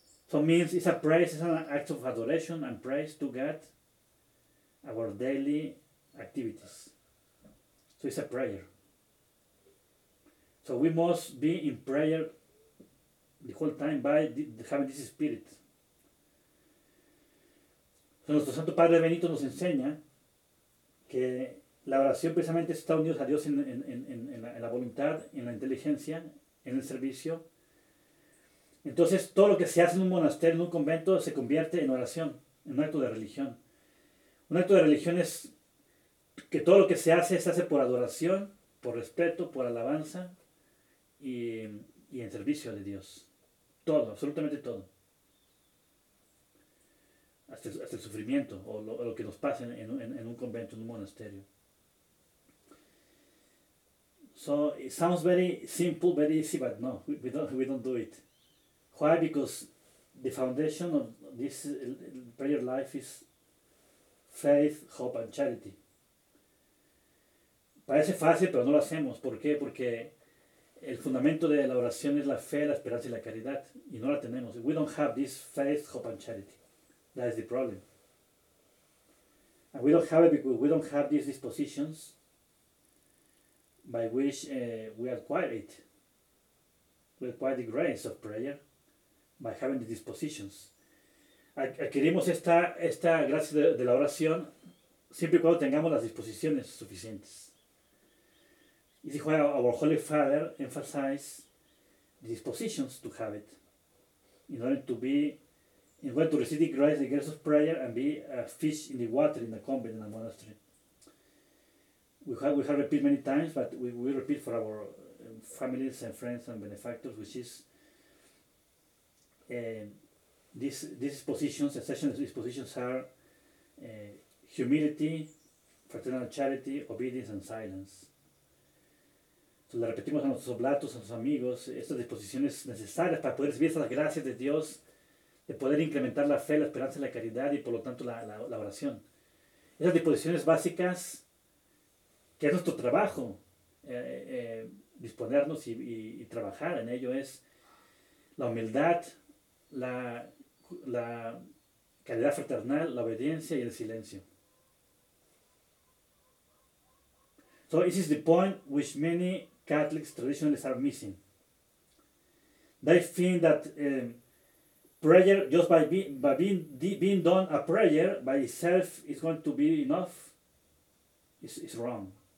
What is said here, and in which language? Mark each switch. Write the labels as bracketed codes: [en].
[en] So it means it's a praise, it's an act of adoration and praise to God, our daily activities. So it's a prayer. So we must be in prayer the whole time by having this spirit. [es] So nuestro Santo Padre Benito nos enseña que la oración precisamente está unida a Dios en la voluntad, en la inteligencia, en el servicio. Entonces todo lo que se hace en un monasterio, en un convento, se convierte en oración, en un acto de religión. Un acto de religión es que todo lo que se hace por adoración, por respeto, por alabanza y en servicio de Dios. Todo, absolutamente todo. Hasta el sufrimiento o lo que nos pasa en un convento, en un monasterio. [en] So it sounds very simple, very easy, but no, we don't do it. Why? Because the foundation of this prayer life is faith, hope and charity. [es] Parece fácil, pero no lo hacemos. ¿Por qué? Porque el fundamento de la oración es la fe, la esperanza y la caridad. Y no la tenemos. [en] We don't have this faith, hope and charity. That is the problem. And we don't have it because we don't have these dispositions by which we acquire it. We acquire the grace of prayer by having the dispositions. [es] Adquirimos esta gracia de la oración siempre y cuando tengamos las disposiciones suficientes. Y dijo, [en] our Holy Father emphasized the dispositions to have it in order to receive the grace of prayer and be a fish in the water in a convent, in a monastery. we have repeated many times, but we repeat for our families and friends and benefactors, which is these positions, essentially these positions are humility, fraternal charity, obedience and silence. [es] So le repetimos a nuestros oblatos, a nuestros amigos, estas disposiciones necesarias para poder recibir esas gracias de Dios, de poder incrementar la fe, la esperanza, la caridad y por lo tanto la oración. Esas disposiciones básicas, que es nuestro trabajo, disponernos y trabajar en ello, es la humildad, la caridad fraternal, la obediencia y el silencio. [en] So this is the point which many Catholics traditionalists are missing. They think that prayer, just by being done a prayer by itself, is going to be enough. It's wrong.